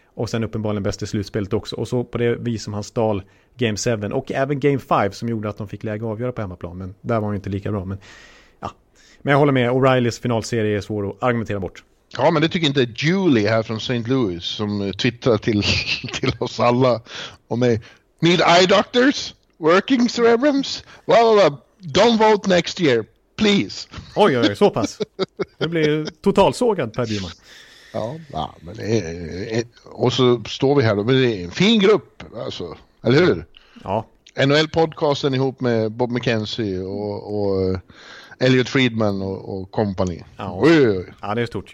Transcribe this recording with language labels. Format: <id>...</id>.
<sv>Och sen uppenbarligen bäst i slutspelet också. Och så på det vis som han stal Game 7 och även Game 5 som gjorde att de fick läge att avgöra på hemmaplan. Men där var ju inte lika bra. Men, ja. Men jag håller med, O'Reillys finalserie är svår att argumentera bort. Ja, men det tycker inte Julie här från St. Louis som twittrar till oss alla och mig.</sv> <en>Need eye doctors? Working cerebrums? Blablabla. Don't vote next year, please.</en> <sv>Oj, oj, så pass. Det blir totalsågad, Per Bjurman. Ja, men det är, och så står vi här då. Men det är en fin grupp, alltså. Eller hur? Ja. NHL-podcasten ihop med Bob McKenzie och Elliot Friedman och company. Ja, och, ja, det är stort.</sv>